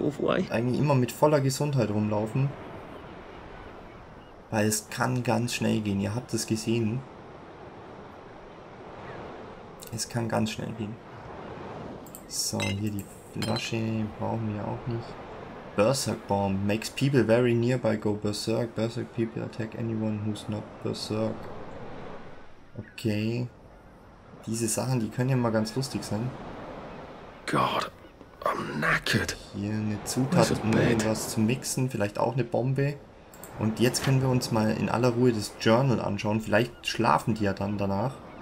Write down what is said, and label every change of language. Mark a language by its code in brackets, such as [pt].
[de] Eigentlich immer mit voller Gesundheit rumlaufen. Weil es kann ganz schnell gehen. Ihr habt es gesehen. Es kann ganz schnell gehen. So, hier die Flasche. Brauchen wir auch nicht. [en] Berserk Balm. Makes people very nearby go berserk. Berserk people attack anyone who's not berserk. Okay. [de] Diese Sachen, die können ja mal ganz lustig sein. [en] God, I'm knackered. [de] Hier eine Zutat, um irgendwas zu mixen, vielleicht auch eine Bombe. Und jetzt können wir uns mal in aller Ruhe das Journal anschauen. Vielleicht schlafen die ja dann danach.